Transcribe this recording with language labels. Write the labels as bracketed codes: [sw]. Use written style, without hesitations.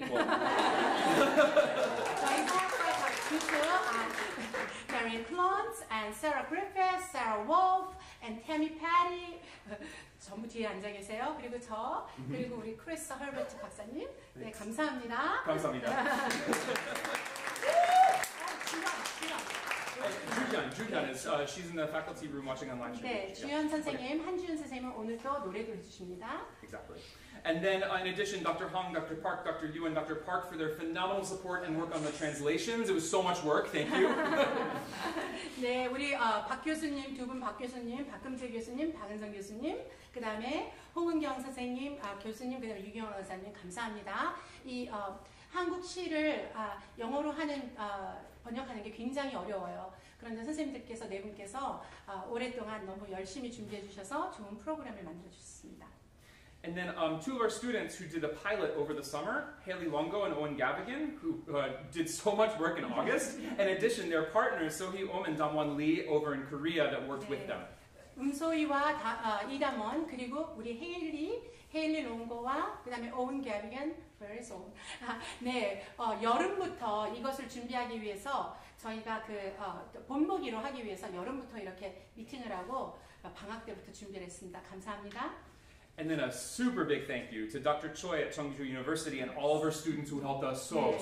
[en] Darian Klontz and Sarah Griffiths, Sarah Wolf and Tammy Patty. [ko] 전부 뒤에 앉아 계세요. 그리고 저 그리고 우리 크리스 허버트 박사님. 네, 감사합니다. 감사합니다. [en] 주현, she's in the faculty room watching online stream. [ko] 네, 주현 선생님, 한주현 선생님은 오늘 또 노래도 해주십니다. [en] Exactly. And then, in addition, Dr. Hong, Dr. Park, Dr. Yu, and Dr. Park for their phenomenal support and work on the translations. It was so much work. Thank you. [ko] 네, 우리 박 교수님, 두 분 박 교수님, 박금재 교수님, 박은성 교수님, 그 다음에 홍은경 선생님, 교수님, 그 다음에 유경원 선생님, 감사합니다. 이 한국 시를 영어로 하는 번역하는 게 굉장히 어려워요. 그런데 선생님들께서 네 분께서 오랫동안 너무 열심히 준비해 주셔서 좋은 프로그램을 만들어 주셨습니다. [en] And then two of our students who did a pilot over the summer, Haley Longo and Owen Gavigan, who did so much work in August. In addition, their partners, Sohee Om and Damwon Lee over in Korea that worked [ko] 네. [en] with them. [ko] 은소희와 이담원 그리고 우리 헤일리, 헤일리 롱고와 그다음에 오은 게비겐, [en] where is Owen? [ko] 네, 여름부터 이것을 준비하기 위해서 저희가 그 본무기로 하기 위해서 여름부터 이렇게 미팅을 하고 방학 때부터 준비를 했습니다. 감사합니다. [en] And then a super big thank you to Dr. Choi at Cheongju University and all of her students who helped us so, 네.